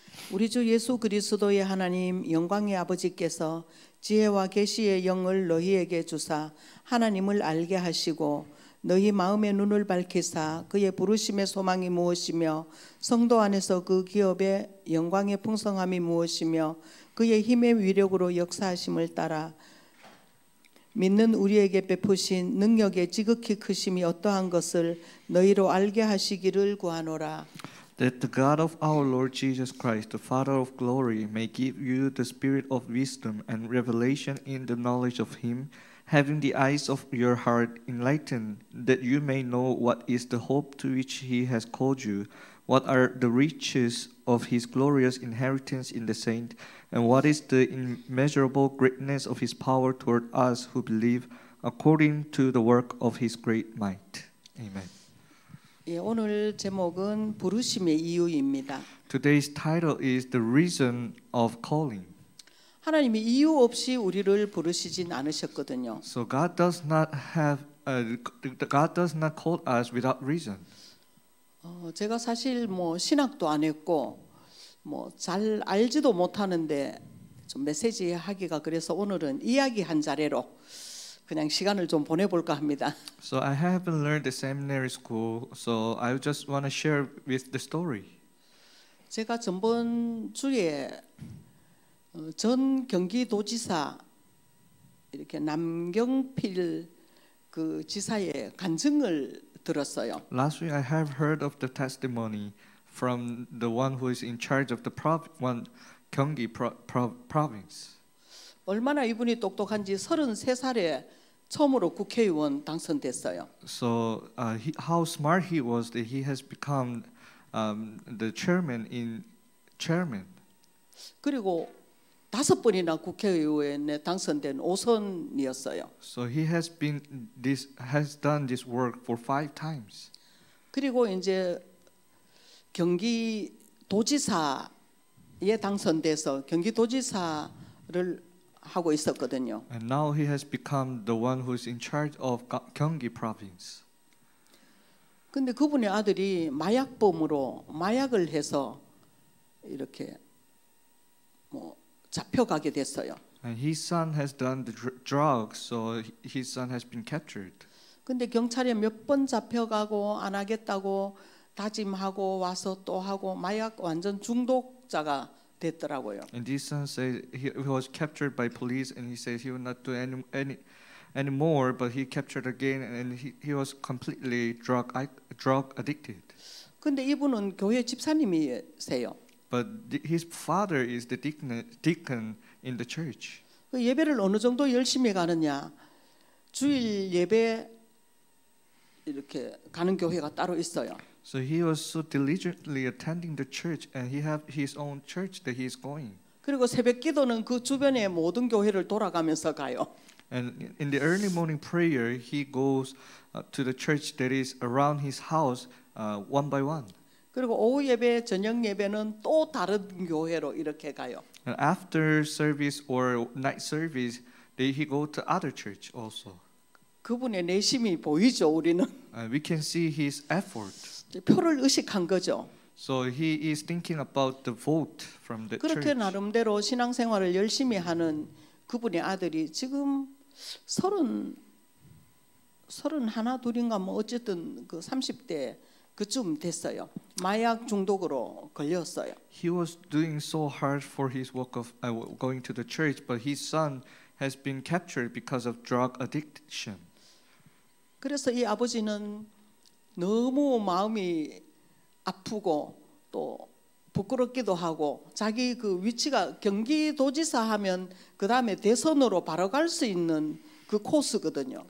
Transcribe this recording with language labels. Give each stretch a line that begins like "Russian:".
Korean: 우리 주 예수 그리스도의 하나님 영광의 아버지께서 지혜와 계시의 영을 너희에게 주사 하나님을 알게 하시고 너희 마음의 눈을 밝히사 그의 부르심의 소망이 무엇이며 성도 안에서 그 기업의 영광의 풍성함이 무엇이며 그의 힘의 위력으로 역사하심을 따라 믿는 우리에게 베푸신 능력의 지극히 크심이 어떠한 것을 너희로 알게 하시기를 구하노라.
English: That the God of our Lord Jesus Christ, the Father of glory, may give you the spirit of wisdom and revelation in the knowledge of him, having the eyes of your heart enlightened, that you may know what is the hope to which he has called you, what are the riches of his glorious inheritance in the saint, and what is the immeasurable greatness of his power toward us who believe according to the work of his great might. Amen.
Korean: 예, 오늘 제목은 부르심의 이유입니다.
English: Today's title is The Reason of Calling.
Korean: 하나님이 이유 없이 우리를 부르시진 않으셨거든요.
English: So God does not call us without reason.
Korean: 제가 사실 뭐 신학도 안 했고 뭐 잘 알지도 못하는데 좀 메시지 하기가 그래서 오늘은 이야기 한 자리로 그냥 시간을 좀 보내 볼까 합니다.
English: So I haven't learned the seminary school. So I just want to share with the story.
Korean: 제가 전번 주에 전 경기도지사 이렇게 남경필 그 지사의 간증을 들었어요.
English: Last week I have heard of the testimony from the one who is in charge of the one 경기 province.
Korean: 얼마나 이분이 똑똑한지 33살에 처음으로 국회의원 당선됐어요.
English: So how smart he was that he has become the chairman in chairman.
Korean: 그리고 다섯 번이나 국회의원에 당선된 오선이었어요.
English: So he has been this has done this work for five times.
Korean: 그리고 이제 경기 도지사에 당선돼서 경기 도지사를 하고 있었거든요.
English: And now he has become the one who is in charge of Gyeonggi province.
Korean: 근데 그분의 아들이 마약범으로 마약을 해서 이렇게 뭐 잡혀가게 됐어요.
English: And his son has done the drugs, so his son has been captured.
Korean: 근데 경찰에 몇 번 잡혀가고 안 하겠다고 다짐하고 와서 또 하고 마약 완전 중독자가 됐더라고요.
English: And his son says he was captured by police, and he says he would not do any more, but he captured again, and he was completely drug addicted.
Korean: 근데 이분은 교회 집사님이세요.
English: But his father is the deacon in the church.
Korean: 그 예배를 어느 정도 열심히 가느냐? 주일 예배 이렇게 가는 교회가 따로 있어요.
English: So he was so diligently attending the church, and he had his own church that he is going.
Korean: 그리고 새벽 기도는 그 주변의 모든 교회를 돌아가면서 가요.
English: And in the early morning prayer, he goes to the church that is around his house, one by one.
Korean: 그리고 오후 예배, 저녁 예배는 또 다른 교회로 이렇게 가요.
English: And after service or night service, then he go to other church also.
Korean: 그분의 내심이 보이죠, 우리는.
English: We can see his effort.
Korean: 표를 의식한 거죠.
English: So he is thinking about the vote from the
Korean: 그렇게
English: church.
Korean: 그렇게 나름대로 신앙생활을 열심히 하는 그분의 아들이 지금 31, 32인가 뭐 어쨌든 그 30대 그쯤 됐어요. 마약 중독으로 걸렸어요.
English: He was doing so hard for his work of going to the church, but his son has been captured because of drug addiction.
Korean: 그래서 이 아버지는 너무 마음이 아프고 또 부끄럽기도 하고 자기 그 위치가 경기도지사 하면 그 다음에 대선으로 바로 갈 수 있는 그 코스거든요.